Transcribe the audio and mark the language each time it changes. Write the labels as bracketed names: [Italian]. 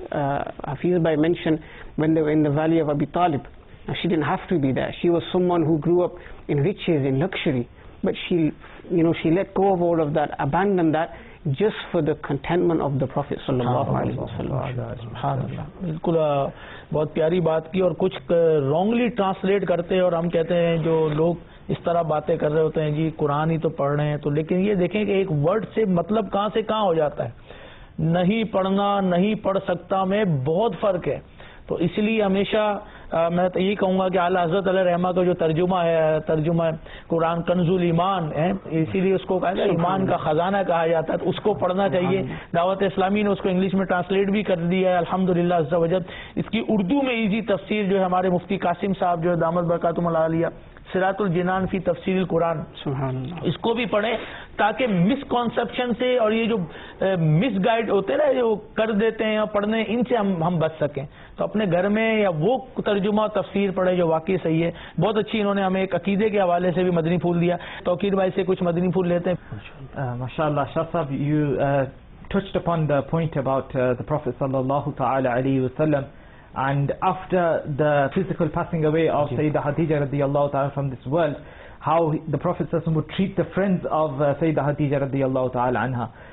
[English] Hafiz Bhai mentioned when they were in the valley of Abi Talib. Now, she didn't have to be there. She was someone who grew up in riches, in luxury. But she let go of all of that, abandoned that, just for the contentment of the Prophet sallallahu alayhi wa sallam. Subhanallah. [Urdu] Bahut pyari baat ki, aur kuch wrongly translate karte, aur hum kehte hain jo log اس طرح باتیں کر رہے ہوتے ہیں جی قرآن ہی تو پڑھ رہے ہیں تو لیکن یہ دیکھیں کہ ایک ورڈ سے مطلب کہاں سے کہاں ہو جاتا ہے نہیں پڑھنا نہیں پڑھ سکتا میں بہت فرق ہے تو اس لیے ہمیشہ میں یہ کہوں گا کہ اعلی حضرت علیہ رحمہ کا جو ترجمہ ہے قرآن کنز الایمان ہے اسی لیے اس کو کہا جاتا ہے ایمان کا خزانہ کہا جاتا ہے اس کو پڑھنا چاہیے دعوت اسلامی نے اس کو انگلش میں ٹرانسلیٹ بھی کر دیا ہے الحمد للہ عز و جل اس کی اردو میں ایزی تفسیر جو ہے ہمارے مفتی قاسم صاحب جو ہے دامت برکاتہم العالیہ صراط الجنان فی تفسیر القرآن سبحان اللہ اس کو بھی پڑھیں تاکہ مس کانسیپشن سے اور یہ جو مس گائیڈ ہوتے نا جو کر دیتے ہیں پڑھنے ان سے ہم بچ سکیں تو اپنے گھر میں یا وہ ترجمہ تفسیر پڑھے جو واقعی صحیح ہے بہت اچھی انہوں نے ہمیں ایک عقیدے کے حوالے سے بھی مدنی پھول دیا توقیر بھائی سے کچھ مدنی پھول لیتے ہیں [English] ماشاءاللہ شاہ صاحب you touched upon the point about the Prophet صلی اللہ علیہ وسلم And after the physical passing away of Sayyidah Khadija radiallahu ta'ala from this world, how the Prophet would treat the friends of Sayyidah Khadija radiallahu ta'ala anha.